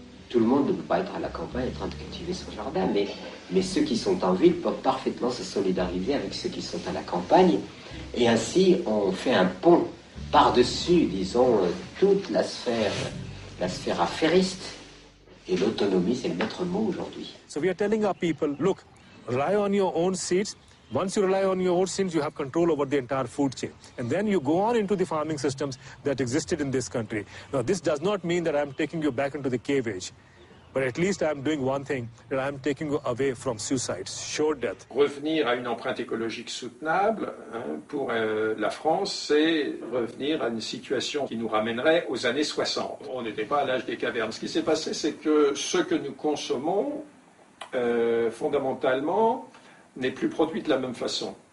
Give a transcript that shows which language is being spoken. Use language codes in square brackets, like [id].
[fr] Tout le monde ne peut pas être à la campagne en train de cultiver son jardin, mais ceux qui sont en ville peuvent parfaitement se solidariser avec ceux qui sont à la campagne. Et ainsi, on fait un pont par-dessus, disons, toute la sphère affairiste. Et l'autonomie, c'est le maître mot aujourd'hui. [en] So we are telling our people, look, rely on your own seeds. Once you rely on your own seeds, you have control over the entire food chain. And then you go on into the farming systems that existed in this country. Now, this does not mean that I'm taking you back into the cave age. But at least I'm doing one thing, that I'm taking you away from suicides, sure death. [fr] Revenir à une empreinte écologique soutenable, pour la France, c'est revenir à une situation qui nous ramènerait aux années 60. On n'était pas à l'âge des cavernes. Ce qui s'est passé, c'est que ce que nous consommons, fondamentalement, n'est plus produit de la même façon.